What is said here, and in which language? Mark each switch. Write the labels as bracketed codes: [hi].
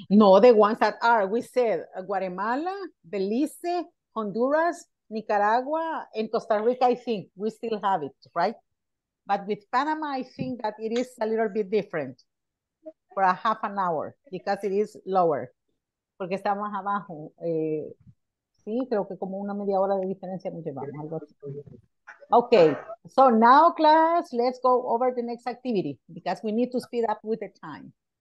[en] No, the ones that are, we said Guatemala, Belize, Honduras, Nicaragua, and Costa Rica, I think we still have it, right? But with Panama, I think that it is a little bit different for a half an hour because it is lower. [es] Porque está más abajo. Sí, creo que como una media hora de diferencia nos llevamos. Algo así. [en] Okay, so now class, let's go over the next activity because we need to speed up with the time.